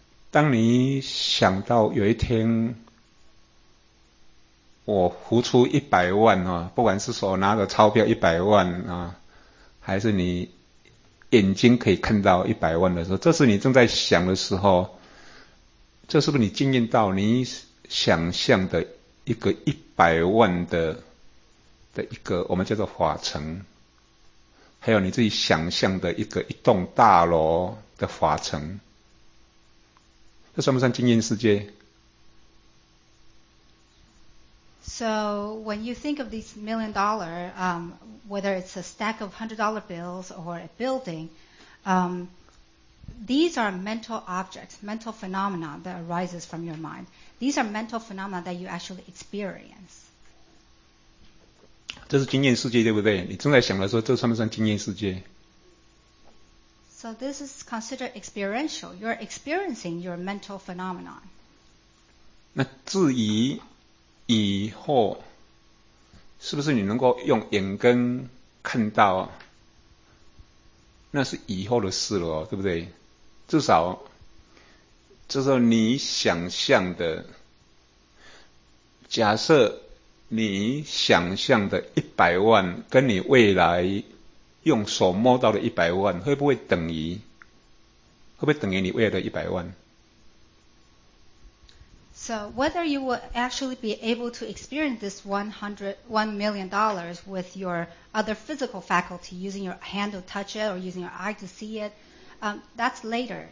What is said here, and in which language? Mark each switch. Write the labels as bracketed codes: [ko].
[zh] 当你想到有一天我浮出一百万不管是说拿着钞票一百万还是你眼睛可以看到一百万的时候，这是你正在想的时候，这是不是你经验到你想象的一个一百万的一个我们叫做法尘，还有你自己想象的一个一栋大楼的法尘，这算不算经验世界？ [en] So when you think of these $1 million, whether it's a stack of $100 bills or a building, these are mental objects, mental phenomena that arises from your mind. These are mental phenomena that you actually experience. [zh] 这是经验世界，对不对？你正在想的时候，这算不算经验世界？ [en] So this is considered experiential. You're experiencing your mental phenomenon. [zh] 那至于以后，是不是你能够用眼根看到那是以后的事了，对不对？至少就是你想象的，假设你想象的一百万跟你未来用手摸到的一百万，会不会等于？会不会等于你未来的一百万？ [en] So whether you will actually be able to experience this $101 million with your other physical faculty, using your hand to touch it or using your eye to see it, that's later.